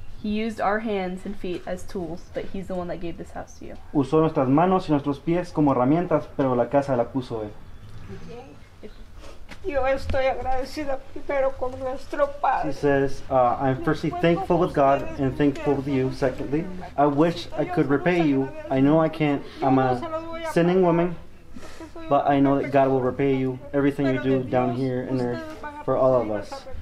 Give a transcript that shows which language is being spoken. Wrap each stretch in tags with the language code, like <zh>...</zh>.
<en>He used our hands and feet as tools, but he's the one that gave this house to you.</en> <es>Usó nuestras manos y nuestros pies como herramientas, pero la casa la puso él. Yo estoy agradecida primero con nuestro padre.</es> <en>He says, I'm firstly thankful with God and thankful with you. Secondly, I wish I could repay you. I know I can't. I'm a sinning woman, but I know that God will repay you everything you do down here and there for all of us.</en>